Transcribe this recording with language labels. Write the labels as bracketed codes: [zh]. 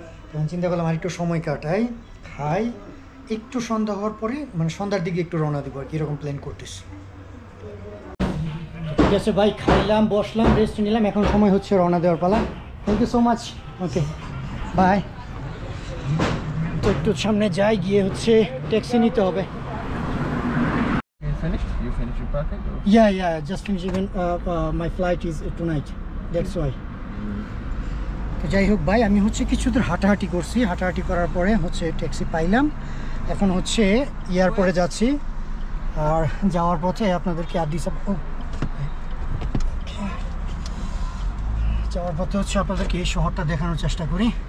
[bn] তখন চিন্তা করলাম আর একটু সময় কাটাই, খাই, একটু সন্ধ্যা হওয়ার পরে মানে সন্ধ্যার দিকে একটু রওনা দিব আর কি, এরকম প্ল্যান করতেছি। ঠিক আছে ভাই, খাইলাম, বসলাম, রেস্ট নিলাম, এখন সময় হচ্ছে রওনা দেওয়ার পালা। [en] Thank you so much, okay bye. [bn] তো একটু সামনে যাই, গিয়ে হচ্ছে ট্যাক্সি নিতে হবে। [en] Yeah, yeah, just finished even my flight is tonight. That's why. [bn] তো যাই হোক ভাই, আমি হচ্ছে কিছু দূর হাঁটাহাঁটি করছি, হাঁটাহাঁটি করার পরে হচ্ছে ট্যাক্সি পাইলাম, এখন হচ্ছে এয়ারপোর্টে যাচ্ছি। আর যাওয়ার পথে আপনাদেরকে আদিস, যাওয়ার পথে হচ্ছে আপনাদেরকে এই শহরটা দেখানোর চেষ্টা করি।